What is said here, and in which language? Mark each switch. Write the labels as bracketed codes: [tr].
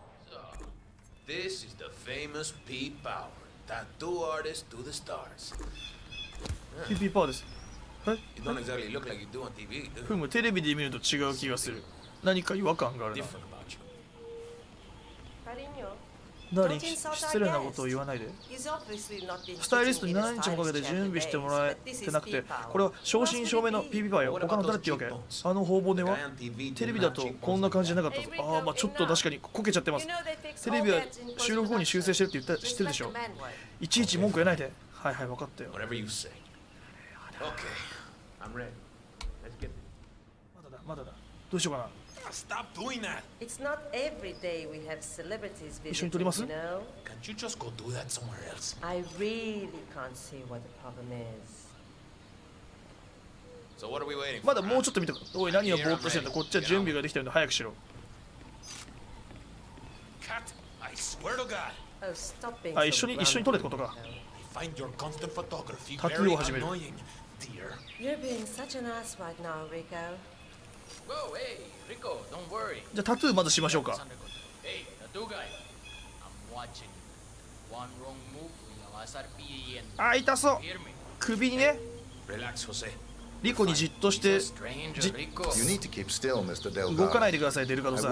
[en] So, this is the famous Pete Power, tattoo artist to the stars. [ja] Pete Power です。 [en] You don't exactly look like you do on TV. [ja] ふむ、テレビで見ると違う気がする。何か違和感があるな。 [en] Different about you. [ja] なに、失礼なことを言わないで。スタイリストに何日もかけて準備してもらえてなくて、これは正真正銘のピーピーパーよ。他の誰っていうわけ。あの方法ではテレビだとこんな感じじゃなかったぞ。ああ、まあちょっと確かにこけちゃってます。テレビは収録後に修正してるって言った、知ってるでしょ。いちいち文句言わないで。はいはい、分かったよ。 [en] Whatever you say. Okay, I'm ready. Let's get [ja] it. まだだ、まだだ。どうしようかな。 [en] Stop doing that! It's not every day we have celebrities visiting, you know? Can't you just go do that somewhere else? I really can't see what the problem is. So what are we waiting for? [ja] まだもうちょっと見とく。おい、何をぼーっとしてんだ。こっちは準備ができてるんだ。早くしろ。 [en] Cut! I swear to God! Oh, stop being so grumpy. [ja] 一緒に撮れってことか。 [en] I find your constant photography very annoying, dear. You're being such an ass right now, Rico. [ja] じゃあタトゥーまずしましょうか。あ、痛そう、首にね。リコにじっとして、動かないでください、デルガドさん。